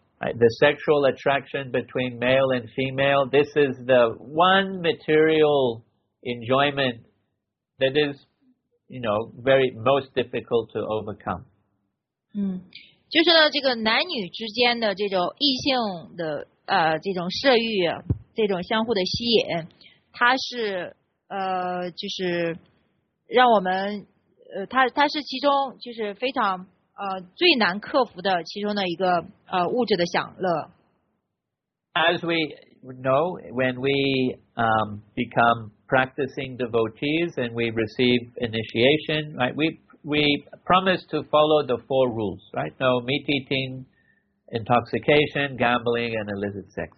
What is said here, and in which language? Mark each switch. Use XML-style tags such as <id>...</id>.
<en>The sexual attraction between male and female, this is the one material enjoyment that is, you know, very most difficult to overcome.</en> <zh>就是呢，这个男女之间的这种异性的这种射欲，这种相互的吸引，它是就是让我们它是其中就是非常最难克服的其中的一个物质的享乐。</zh> <en>As we know, when we become practicing devotees and we receive initiation, right, we promise to follow the four rules, right? No meat eating, intoxication, gambling, and illicit sex.</en>